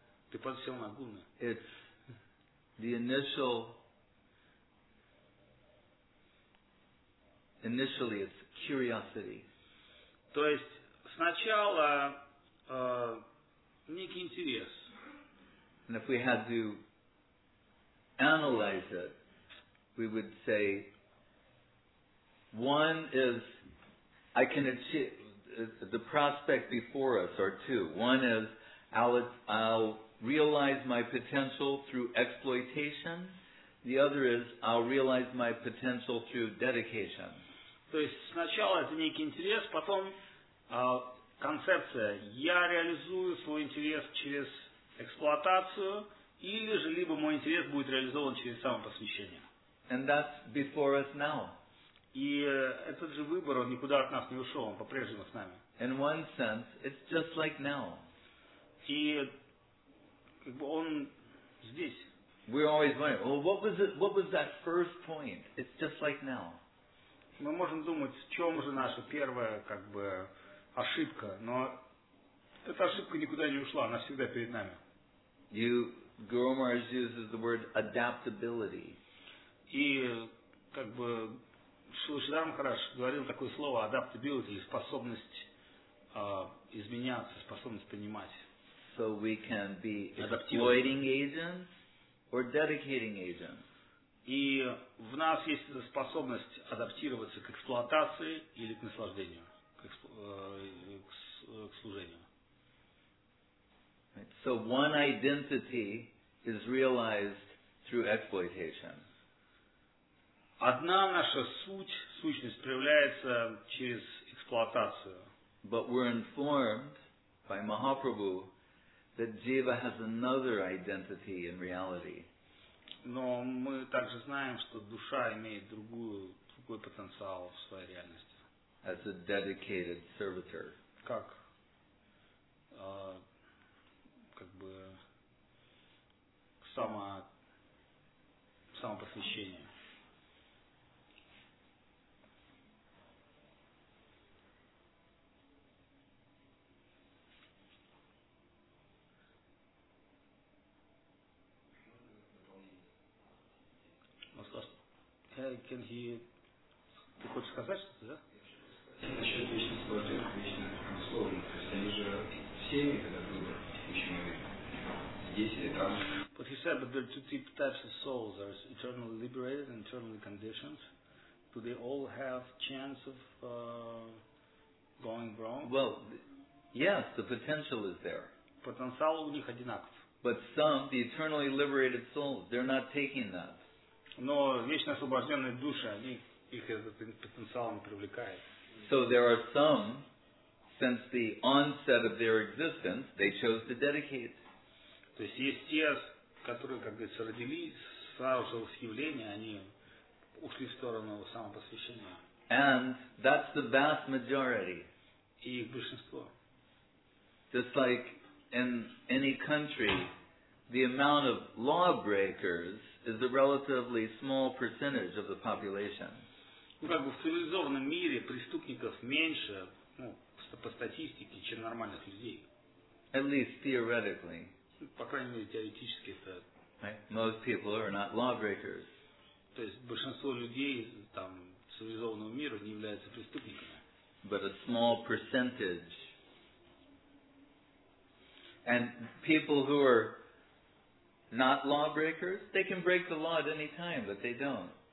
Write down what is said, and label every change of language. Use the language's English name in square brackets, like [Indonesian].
[Russian] ты подсел на гуны. [English] It's the initially it's curiosity. [Russian] То есть сначала некий интерес. [English] And if we had to analyze it, we would say one is I can achieve the prospect before us are two. One is I'll realize my potential through exploitation. The other is I'll realize my potential through dedication. [Russian] То есть сначала это некий интерес, потом концепция. Я реализую свой интерес через эксплуатацию, или же либо мой интерес будет реализован через самопосвящение. [English] And that's before us now. [Russian] И этот же выбор, он никуда от нас не ушел, он по-прежнему с нами. [English] In one sense, it's just like now. [Russian] И как бы он здесь. [English] We're always wondering, well, what was that first point? It's just like now. [Russian] Мы можем думать, в чем же наша первая, как бы, ошибка, но эта ошибка никуда не ушла, она всегда перед нами. [English] Guru Maharaj uses the word adaptability. [Russian] И, как бы, Шрила Шридхар Махарадж говорил такое слово adaptability, способность изменяться, способность понимать. [English] So we can be exploiting agents or dedicating agents. [Russian] И в нас есть эта способность адаптироваться к эксплуатации или к наслаждению, к служению. [English] So one identity is realized through exploitation. [Russian] Одна наша сущность проявляется через эксплуатацию. [English] But we're informed by Mahaprabhu that Jiva has another identity in reality. [Russian] Но мы также знаем, что душа имеет другой потенциал в своей реальности. [English] As a dedicated servitor. [Russian] Как? Как бы самопосвящение. [English] Can he... [Russian] Ты хочешь сказать что-то, да? Насчет вечных сложных, вечных условий. То есть они же всеми, когда было, еще не здесь или там. [English] But he said that there are two types of souls. There's eternally liberated and eternally conditioned. Do they all have chance of going wrong? Well, yes, the potential is there. [Russian] Потенциал у них одинаков. [English] But some, the eternally liberated souls, they're not taking that. [Russian] Но вечно освобожденные души, они их этот потенциал не привлекает. [English] So there are some, since the onset of their existence, they chose to dedicate. [Russian] То есть есть те, которые, как говорится, родились сразу же с явления, они ушли в сторону самопосвящения. [English] And that's the vast majority. [Russian] И их большинство. [English] Just like in any country, the amount of lawbreakers is a relatively small percentage of the population. [Russian] Ну, как бы в цивилизованном мире преступников меньше, ну, по статистике, чем нормальных людей. [English] At least theoretically. [Russian] По крайней мере, теоретически это... [English] Right? Most people are not lawbreakers. [Russian] То есть большинство людей там цивилизованного мира не являются преступниками. [English] But a small percentage. And people who are not lawbreakers, they can break the law at any time, but they don't.